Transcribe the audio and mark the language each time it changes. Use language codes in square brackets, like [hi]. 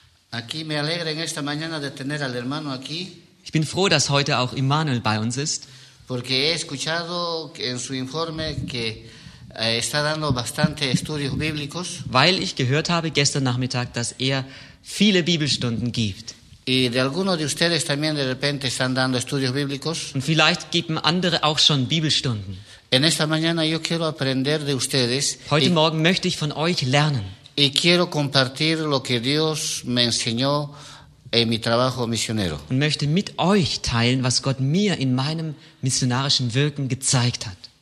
[es] Aquí me alegra en esta mañana de tener al hermano aquí. [de] Ich bin froh, dass heute auch Immanuel bei uns ist. [es] Porque he escuchado en su informe que está dando bastante estudios bíblicos. [de] Weil ich gehört habe gestern Nachmittag, dass er viele Bibelstunden gibt. [es] Y de alguno de ustedes también de repente están dando estudios bíblicos. [de] Und vielleicht geben andere auch schon Bibelstunden. [es] En esta mañana yo quiero aprender de ustedes. [de] Heute Morgen möchte ich von euch lernen. [es] Y quiero compartir lo que Dios me enseñó en mi trabajo misionero. [de] Und möchte mit euch teilen, was Gott mir in meinem missionarischen Wirken gezeigt hat.